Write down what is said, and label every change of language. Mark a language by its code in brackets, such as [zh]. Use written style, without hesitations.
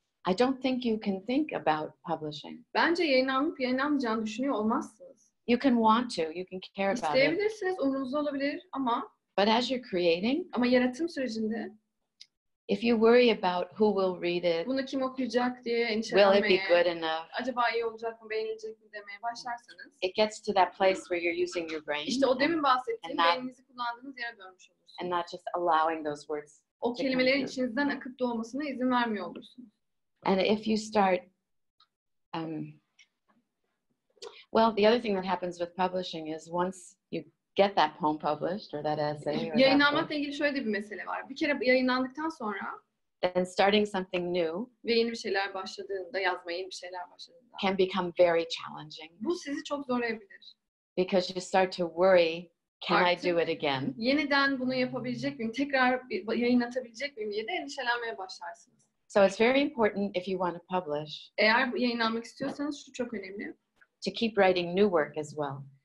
[en] I don't think you can think about publishing. [tr] Bence yayınlanıp yayınlanmayacağını düşünüyor olmazsınız. [en] You can want to, you can care about it. [tr] İsteyebilirsiniz, umurunuzda olabilir ama. [en] But as you're creating, [tr] ama yaratım sürecinde, [en] if you worry about who will read it, [tr] bunu kim okuyacak diye endişelenmeye, [en] will it be good enough? [tr] Acaba iyi olacak mı, beğenilecek mi demeye başlarsanız, [en] it gets to that place where you're using your brain. [tr] İşte o demin bahsettiğim beyninizi kullandığınız yere dönmüş olursunuz. [en] And not just allowing those words. [tr] O kelimelerin içinizden akıp doğmasına izin vermiyor olursunuz. [en] And if you start, well, the other thing that happens with publishing is once you get that poem published or that essay. [tr] Yayınlanmakla ilgili şöyle bir mesele var. Bir kere yayınlandıktan sonra [en] and starting something new [tr] ve yeni bir şeyler başladığında, yazmaya yeni bir şeyler başladığında [en] can become very challenging. [tr] Bu sizi çok zorlayabilir. [en] Because you start to worry, can I do it again? [tr] Yeniden bunu yapabilecek miyim? Tekrar yayınlatabilecek miyim? Diye de endişelenmeye başlarsınız. [en] So it's very important if you want to publish. [tr] Eğer yayınlanmak istiyorsanız şu çok önemli. [en] To keep writing new work as well.